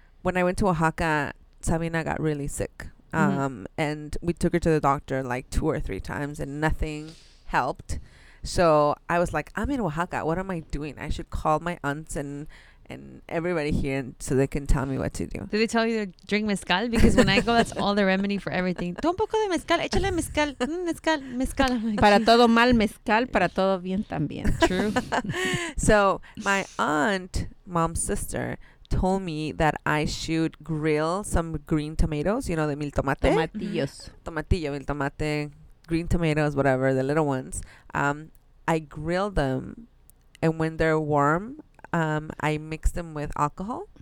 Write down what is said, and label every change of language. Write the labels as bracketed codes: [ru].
[en] When I went to Oaxaca, Sabina got really sick. And we took her to the doctor like 2 or 3 times and nothing helped. So I was like, I'm in Oaxaca. What am I doing? I should call my aunts and everybody here so they can tell me what to do. Did they tell you to drink mezcal? Because when I go, that's all the remedy for everything. [es] Toma un poco de mezcal, échale mezcal, mezcal. Para todo mal, mezcal, para todo bien también. [en] True. So my aunt, mom's sister, told me that I should grill some green tomatoes, you know, the mil tomate. Tomatillos. Mm-hmm. Tomatillo, mil tomate, green tomatoes, whatever, the little ones. I grill them, and when they're warm, I mix them with alcohol.